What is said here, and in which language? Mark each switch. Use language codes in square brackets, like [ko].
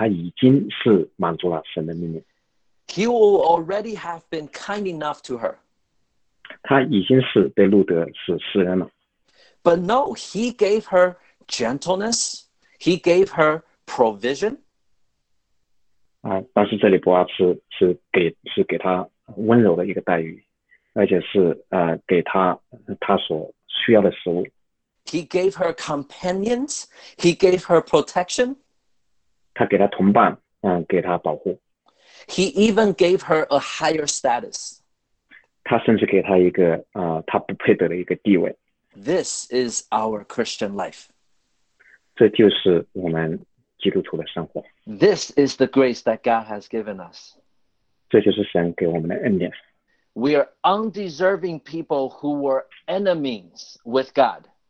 [zh] 如果说博阿斯允许路德就在那里拾取麦穗，他已经是满足了神的命令。 [en] He will already have been kind enough to her. [zh] 他已经是对路德是施恩了。 [en] But no, he gave her gentleness. He gave her provision. [zh] 但是这里博阿斯是给她温柔的一个待遇，而且是给她她所需要的食物。 [en] He gave her companions. He gave her protection. [zh] 他给她同伴，给她保护。 [en] He even gave her a higher status. [zh] 他甚至给她一个她不配得的一个地位。 [en] This is our Christian life. [zh] 这就是我们基督徒的生活。 [en] This is the grace that God has given us. [zh] 这就是神给我们的恩典。 [en] We are undeserving people who were enemies with God.